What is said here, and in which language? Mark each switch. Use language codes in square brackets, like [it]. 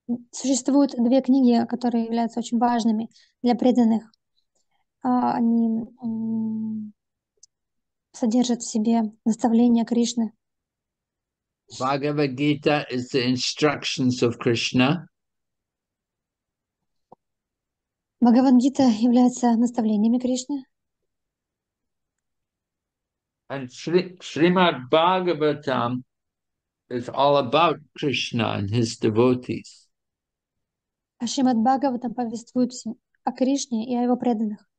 [ru] Существуют две книги, которые являются очень важными для преданных. Они содержат в себе наставления Кришны. [en] Бхагавад-гита is the instructions of Krishna. [ru] Бхагавад-гита является наставлениями Кришны. [en] And Srimad Bhagavatam is all about Krishna and his devotees. [ru] А Шримад Бхагаватам повествует все о Кришне и о его преданных.